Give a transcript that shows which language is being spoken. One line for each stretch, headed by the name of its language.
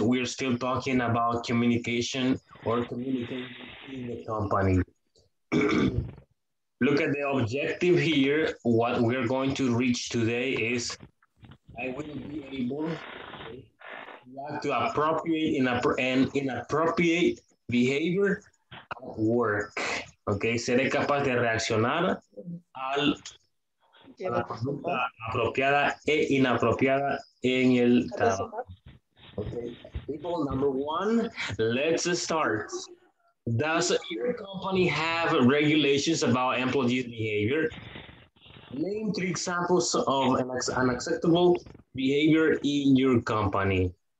English: We're still talking about communication or communicating in the company. Look at the objective here. What we're going to reach today is I will be able to appropriate and inappropriate behavior at work.
Spanish: Okay, seré capaz de reaccionar al la conducta apropiada e inapropiada en el trabajo.
English: Okay, people, number one, let's start. Does your company have regulations about employees' behavior? Name three examples of an unacceptable behavior in your company.